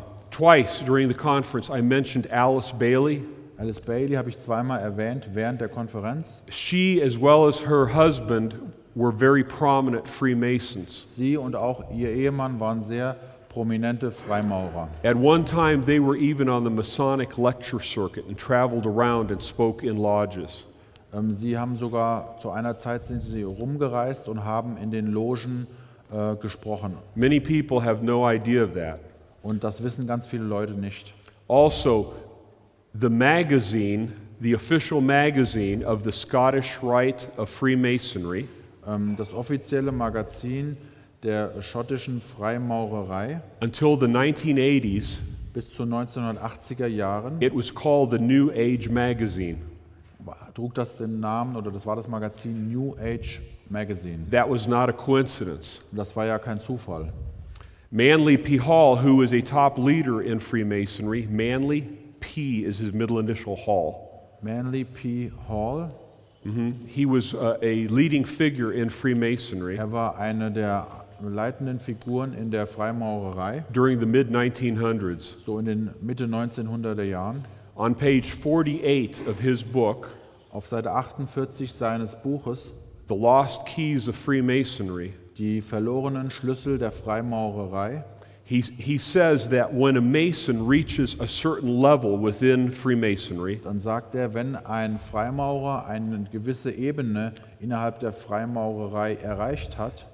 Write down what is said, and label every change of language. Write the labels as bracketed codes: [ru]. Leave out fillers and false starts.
[en] Twice during the conference I mentioned Alice Bailey. [de] Alice Bailey habe ich zweimal erwähnt während der Konferenz. [en] She as well as her husband were very prominent Freemasons. [de] Sie und auch ihr Ehemann waren sehr prominente Freimaurer. [en] At one time they were even on the Masonic lecture circuit and traveled around and spoke in lodges. [de] Sie haben sogar zu einer Zeit sind sie rumgereist und haben in den Logen gesprochen. [en] Many people have no idea of that. [de] Und das wissen ganz viele Leute nicht. [en] Also the magazine, the official magazine of the Scottish Rite of Freemasonry, [de] das offizielle Magazin der schottischen Freimaurerei, [en] until the 1980s, [de] bis zu 1980er Jahren, [en] it was called the New Age Magazine. [de] Trug das den Namen, oder das war das Magazin New Age Magazine. [en] That was not a coincidence. [de] Das war ja kein Zufall. [en] Manly P. Hall, who was a top leader in Freemasonry, Manly P. is his middle initial, Hall. Manly P. Hall. Mm-hmm. He was a leading figure in Freemasonry. [de] Er war einer der leitenden Figuren in der Freimaurerei. [en] During the mid-1900s. [de] So in den Mitte 1900er Jahren. [en] On page 48 of his book. [de] Auf Seite 48 seines Buches. [en] The Lost Keys of Freemasonry. [de] Die verlorenen Schlüssel der Freimaurerei. [en] He says that when a Mason reaches a certain level within Freemasonry, [de] dann sagt er, wenn ein Freimaurer eine gewisse Ebene innerhalb der Freimaurerei erreicht hat,